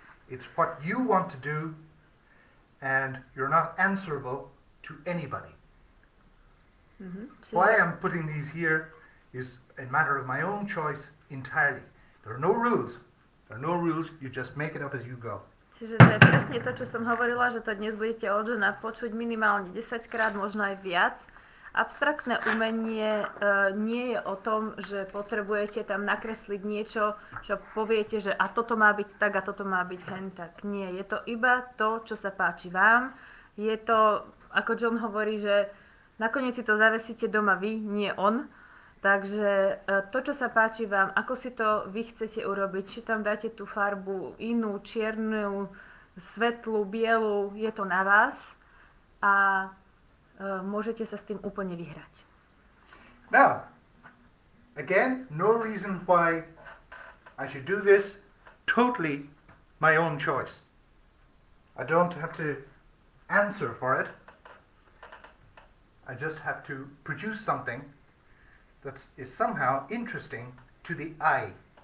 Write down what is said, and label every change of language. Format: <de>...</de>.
<en>It's what you want to do, and you're not answerable to anybody. Mm-hmm. Why I'm putting these here is a matter of my own choice entirely. There are no rules. There are no rules. You just make it up as you go.</en> <sk>Čiže to je presne to, čo som hovorila, že to dnes budete od Johna počuť minimálne 10 krát, možno aj viac. Abstraktné umenie nie je o tom, že potrebujete tam nakresliť niečo, čo poviete, že a toto má byť tak, a toto má byť hentak. Nie, je to iba to, čo sa páči vám. Je to, ako John hovorí, že nakoniec si to zavesíte doma vy, nie on. Takže to, čo sa páči vám, ako si to vy chcete urobiť, či tam dáte tú farbu inú, čiernu, svetlú, bielu, je to na vás. A môžete sa s tým úplne vyhrať.</sk> <en>Now, again, no reason why I should do this, totally my own choice. I don't have to answer for it. I just have to produce something that is somehow interesting to the eye.</en>